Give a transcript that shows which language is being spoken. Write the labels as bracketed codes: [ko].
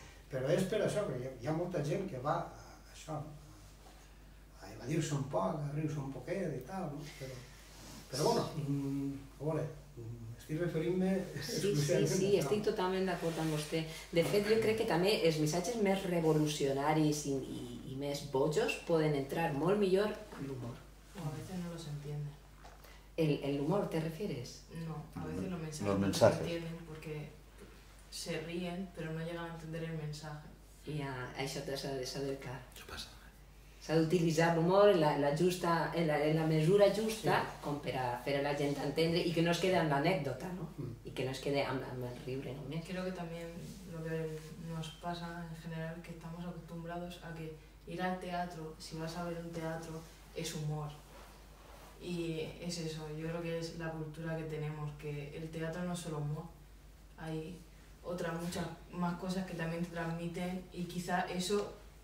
[ca] Però és per això, perquè hi ha molta gent que va a això, a evadir-se un poc, a riure-se un poquet i tal, no? Però bueno, a veure, i referint-me... Sí, estic totalment d'acord amb vostè. De fet, jo crec que també els missatges més revolucionaris i més bojos poden entrar molt millor amb l'humor. [es] A veces no los entienden. ¿El humor te refieres? No, a veces los mensajes no los entienden porque se ríen, pero no llegan a entender el mensaje. [ca] I això t'ha de saber clar. Això passa. S'ha d'utilitzar l'humor en la mesura justa, sí, com per a la gent entendre i que no es quede en l'anècdota, no? Mm. I que no es quede amb el riure només. [es] Creo que también lo que nos pasa en general que estamos acostumbrados a que ir al teatro, si vas a ver un teatro, es humor. Y es eso, yo creo que es la cultura que tenemos, que el teatro no es solo humor. Hay otras muchas más cosas que también te transmiten y quizá eso...